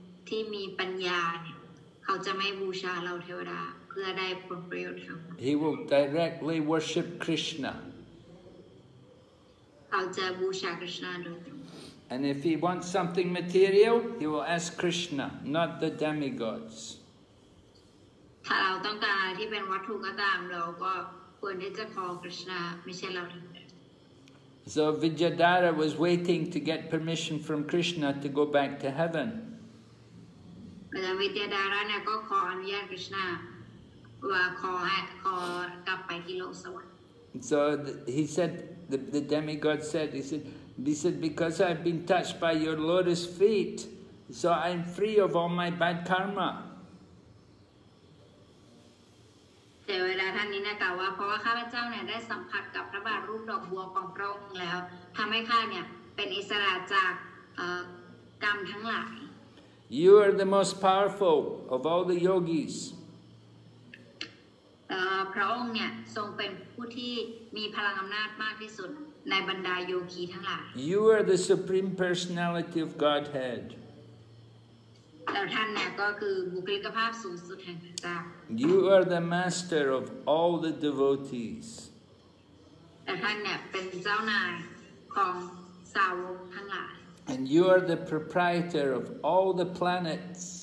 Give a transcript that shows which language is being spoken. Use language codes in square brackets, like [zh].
[th] ที่มีปัญญาเนี่ยเขาจะไม่บูชาเหล่าเทวดาเพื่อได้ผลประโยชน์ทาง [en] He will directly worship Krishna [th] เขาจะบูชา Krishna โดยตรง [en] And if he wants something material he will ask Krishna not the demigods [th] ถ้าเราต้องการที่เป็นวัตถุก็ตามเราก็ควรที่จะขอ Krishna ไม่ใช่เรา [en] เทวดา So Vidyadhara was waiting to get permission from Krishna to go back to heaven [th] แต่วิทยาดาราเนี่ยก็ขออนุญาตกฤษณาว่าขอกลับไปที่โลกสวรรค์ [en] So he said the demigod said he said because I've been touched by your lotus feet so I'm free of all my bad karma [th] แต่เวลาท่านนี้นะกล่าวว่าเพราะว่าข้าพเจ้าเนี่ยได้สัมผัสกับพระบาทรูปดอกบัวของพระองค์แล้วทำให้ข้าเนี่ยเป็นอิสระจากกรรมทั้งหลาย [en] You are the most powerful of all the yogis. [th] พระองค์เนี่ยทรงเป็นผู้ที่มีพลังอำนาจมากที่สุดในบรรดาโยคีทั้งหลาย [en] You are the supreme personality of Godhead. [th] แล้วท่านเนี่ยก็คือบุคลิกภาพสูงสุดแห่งพระเจ้า [en] You are the master of all the devotees. [th] แล้วท่านเนี่ยเป็นเจ้านายของสาวกทั้งหลาย [en] And you are the proprietor of all the planets.